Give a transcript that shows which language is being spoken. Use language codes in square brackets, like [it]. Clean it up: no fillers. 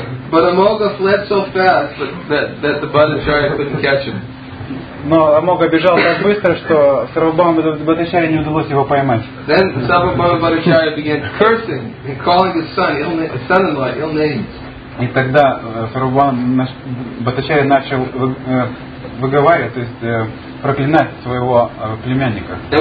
[en] But Amoga fled so fast that the Bhattacharya couldn't catch him. [ru] Но Амога бежал так быстро, что Сарвабхауму Бхаттачарье не удалось его поймать. [en] Then Sarvabhauma Bhattacharya began cursing and calling his son-in-law ill names. [ru] И тогда Сарвабхауму Бхаттачарья начал выговаривать, то есть проклинать своего племянника.